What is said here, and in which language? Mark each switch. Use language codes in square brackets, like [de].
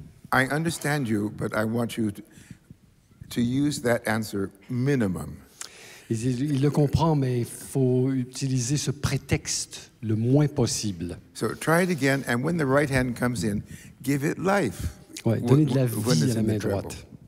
[en] I understand you, but I want you to use that answer minimum. [fr] Il le comprend, mais il faut utiliser ce prétexte le moins possible. [en] So try it again, and when the right hand comes in, give it life. [fr] Ouais, donner de la vie à la main droite.